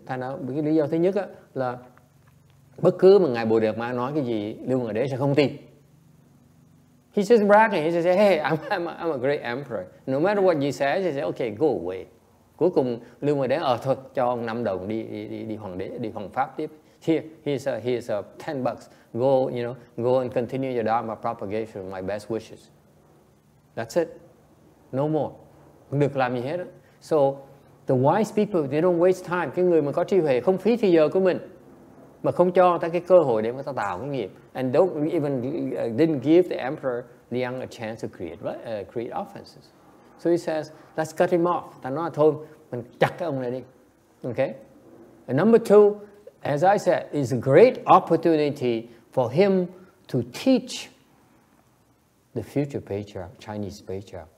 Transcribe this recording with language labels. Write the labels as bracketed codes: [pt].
[vi] Thành ra cái lý do thứ nhất là bất cứ mà ngài Bồ Đề Ma nói cái gì, Lưu Ngự Đế sẽ không tin. [en] He just bragging. He just say, "Hey, I'm a great emperor. No matter what you say, he say, okay, go away." [vi] Cuối cùng Lưu Ngự Đế thôi cho ông 5 đồng đi hoàng đế, đi hoàng pháp tiếp. [en] Here's a 10 bucks. Go, you know, go and continue your Dharma propagation. My best wishes. That's it. No more. [vi] Được làm gì hết. [en] So the wise people, they don't waste time. [vi] Cái người mà có trí huệ không phí thời giờ của mình, mà không cho người ta cái cơ hội để người ta tạo cái nghiệp. [en] And don't even didn't give the Emperor Liang a chance to create offenses. So he says, let's cut him off. [vi] Ta nói thôi, mình chặt cái ông này đi. [en] Okay. And number two, as I said, is a great opportunity for him to teach the future patriarch, Chinese patriarch.